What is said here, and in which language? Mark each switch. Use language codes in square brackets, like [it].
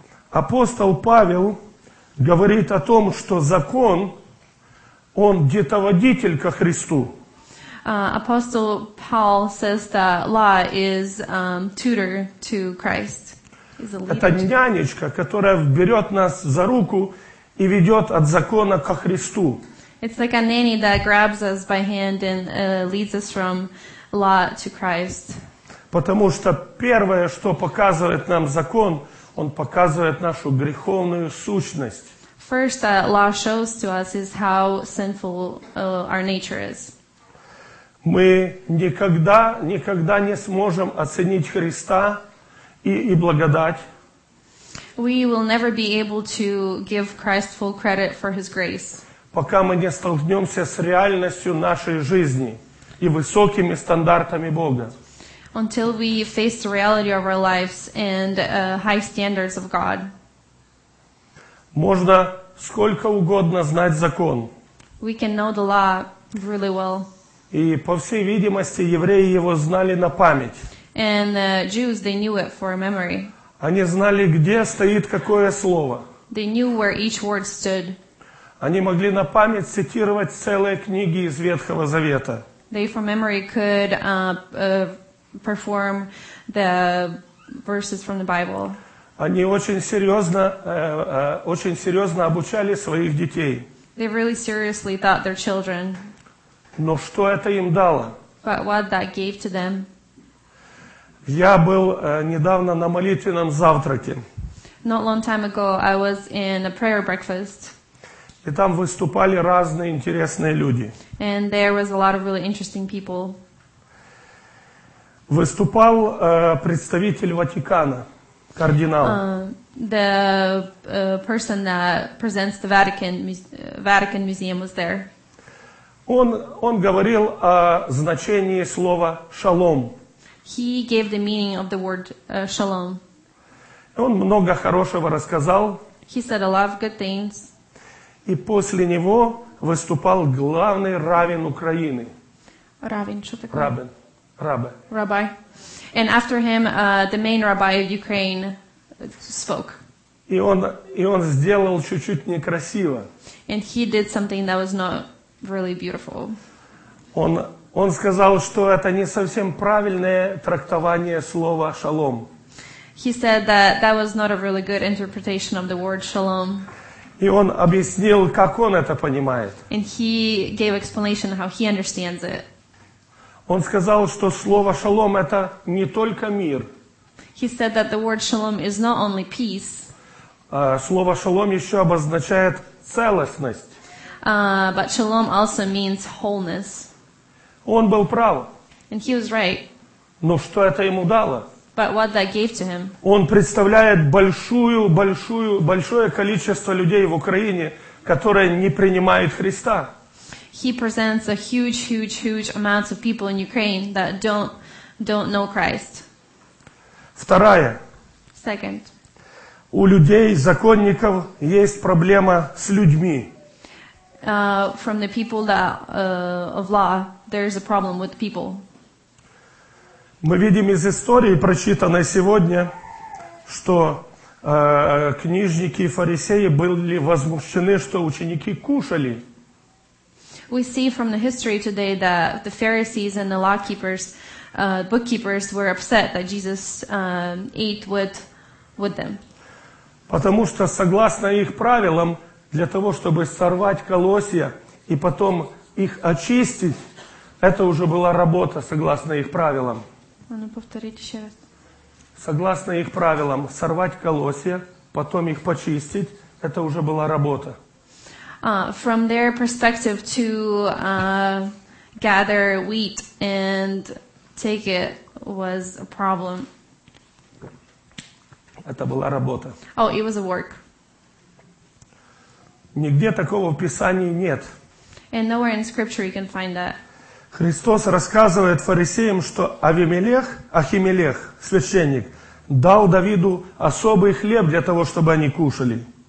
[ru] Апостол Павел говорит о том, что закон, он детоводитель ко Христу. [en] Apostle Paul says that law is tutor to Christ. Is a leader. [ru] Это нянечка, которая берет нас за руку и ведет от закона ко Христу. [en] It's like a nanny that grabs us by hand and leads us from law to Christ. [ru] Потому что первое, что показывает нам закон, он показывает нашу греховную сущность. [en] First, that law shows to us is how sinful our nature is. [ru] Мы никогда, никогда не сможем оценить Христа и благодать. [en] We will never be able to give Christ full credit for His grace. [ru] Пока мы не столкнемся с реальностью нашей жизни и высокими стандартами Бога. [en] Until we face the reality of our lives and high standards of God. [ru] Можно сколько угодно знать закон. [en] We can know the law really well. [ru] И, по всей видимости, евреи его знали на память. [en] And the Jews, they knew it for memory. [ru] Они знали, где стоит какое слово. [en] They knew where each word stood. [ru] Они могли на память цитировать целые книги из Ветхого Завета. [en] They from memory could perform the verses from the Bible. [ru] Они очень серьезно обучали своих детей. [en] They really seriously taught their children. [ru] Но что это им дало? [en] But what that gave to them? [ru] Я был недавно на молитвенном завтраке. [en] Not long time ago, I was in a prayer breakfast. [ru] И там выступали разные интересные люди. [en] And there was a lot of really interesting people. [ru] Выступал представитель Ватикана, кардинал. [en] The person that presents the Vatican Museum was there. [ru] Он говорил о значении слова «шалом». [en] He gave the meaning of the word «шалом». [ru] Он много хорошего рассказал. [en] He said a lot of good things. [ru] И после него выступал главный раввин Украины. Раввин, что такое? Раббин. Раббин. [en] Rabbi. And after him, the main rabbi of Ukraine spoke. [ru] И он сделал чуть-чуть некрасиво. [en] And he did something that was not... Really beautiful. [ru] Он сказал, что это не совсем правильное трактование слова шалом. [en] He said that that was not a really good interpretation of the word shalom. [ru] И он объяснил, как он это понимает. [en] And he gave explanation how he understands it. [ru] Он сказал, что слово шалом это не только мир. [en] He said that the word shalom is not only peace. [ru] Слово шалом еще обозначает целостность. [en] But shalom also means wholeness. [ru] Он был прав. [en] And he was right. [ru] Но что это ему дало? [en] But what that gave to him? [ru] Он представляет большое количество людей в Украине, которые не принимают Христа. [en] He presents a huge amount of people in Ukraine that don't know Christ. [ru] Вторая. [en] Second. [ru] У людей, законников, есть проблема с людьми. [en] From the people that of law, there is a problem with people. [ru] Мы видим из истории, прочитанной сегодня, что книжники и фарисеи были возмущены, что ученики кушали. [en] We see from the history today that the Pharisees and the lawkeepers, bookkeepers, were upset that Jesus ate with them. [ru] Потому что согласно их правилам, для того чтобы сорвать колосья и потом их очистить, это уже была работа согласно их правилам. Ну, повторите еще раз. Согласно их правилам, сорвать колосья, потом их почистить, это уже была работа. [en] From their perspective, to gather wheat and take it was a problem. [ru] Это была работа. [en] Oh, it was a work. [ru] Нигде такого в Писании нет. [en] And nowhere in Scripture you can find that. [ru] Христос рассказывает фарисеям, что Ахимелех, священник, дал Давиду особый хлеб для того, чтобы они кушали.